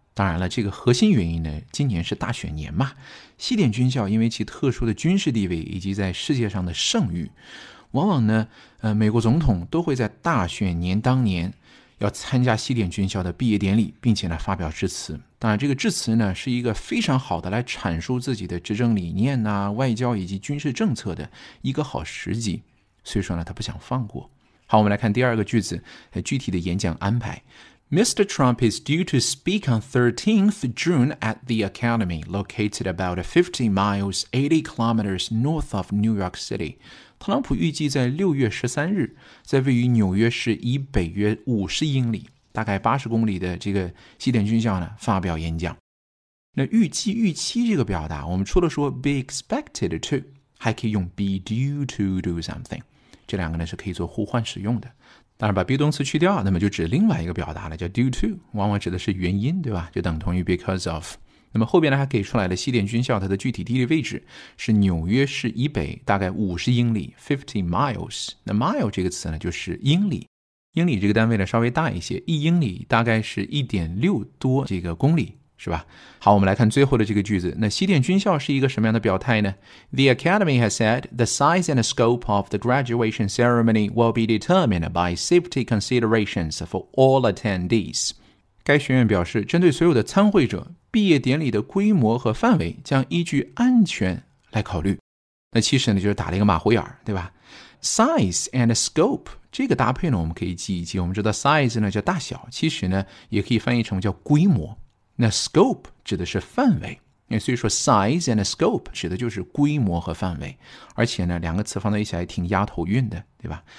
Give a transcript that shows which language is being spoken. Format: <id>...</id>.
<zh>当然了，这个核心原因呢，今年是大选年嘛，西点军校因为其特殊的军事地位以及在世界上的盛誉，往往呢美国总统都会在大选年当年要参加西点军校的毕业典礼，并且呢发表致辞。当然这个致辞呢是一个非常好的来阐述自己的执政理念啊、外交以及军事政策的一个好时机，所以说呢他不想放过。好，我们来看第二个句子具体的演讲安排。</zh> <en>Mr. Trump is due to speak on 13th June at the Academy, located about 50 miles, 80 kilometers north of New York City.</en> <zh>特朗普预计在6月13日在位于纽约市以北约50英里大概80公里的这个西点军校呢发表演讲。那预计预期这个表达，我们除了说</zh> <en>be expected to，</en> <zh>还可以用</zh> <en>be due to do something，</en> <zh>这两个呢是可以做互换使用的。当然把 be 动词去掉，那么就指另外一个表达了，叫</zh> <en>due to，</en> <zh>往往指的是原因，对吧，就等同于</zh> <en>because of。</en> <zh>那么后边呢还给出来了西点军校它的具体地理位置是纽约市以北大概50英里</zh> <en>50 miles，</en> <zh>那 mile 这个词呢就是英里，英里这个单位呢稍微大一些，一英里大概是 1.6 多这个公里，是吧。好，我们来看最后的这个句子，那西点军校是一个什么样的表态呢？</zh> <en>The Academy has said the size and scope of the graduation ceremony will be determined by safety considerations for all attendees.</en> <zh>该学院表示，针对所有的参会者，毕业典礼的规模和范围将依据安全来考虑。那其实呢就是打了一个马虎眼，对吧。</zh> <en>Size and scope</en> <zh>这个搭配呢我们可以记一记，我们知道 size 呢叫大小，其实呢也可以翻译成叫规模，那 scope 指的是范围，所以说</zh> <en>size and scope</en> <zh>指的就是规模和范围，而且呢两个词放在一起还挺押头韵的，对吧。</zh>